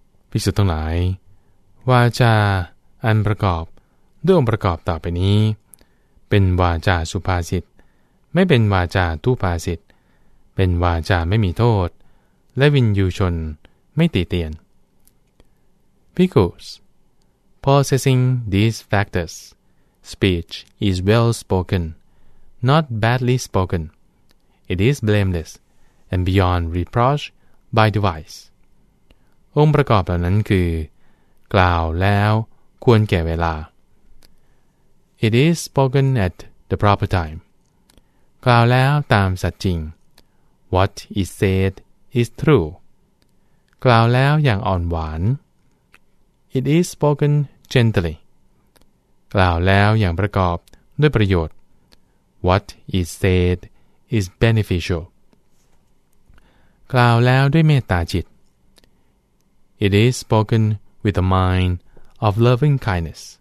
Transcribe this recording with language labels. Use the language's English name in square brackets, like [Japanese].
[Thai] ภิกษุทั้งหลายวาจาอันประกอบด้วยองค์ประกอบต่อไปนี้เป็นวาจาสุภาษิตไม่เป็นวาจาทุภาษิตเป็นวาจาไม่มีโทษและวินยูชนไม่ติเตียนภิกษุ [English] Possessing these factors, speech is well spoken, not badly spoken. It is blameless and beyond reproach by the wise. [Thai] องค์ประกอบเหล่านั้นคือกล่าวแล้วควรแก่เวลา [English] It is spoken at the proper time. [Thai] กล่าวแล้วตามสัจจริง [English] What is said is true. [Thai] กล่าวแล้วอย่างอ่อนหวาน [English] It is spokengently [Thai] กล่าวแล้วอย่างประกอบด้วยประโยชน์ [English] what is said is beneficial [Thai] กล่าวแล้วด้วยเมตตาจิต [English] it is spoken with a mind of loving kindness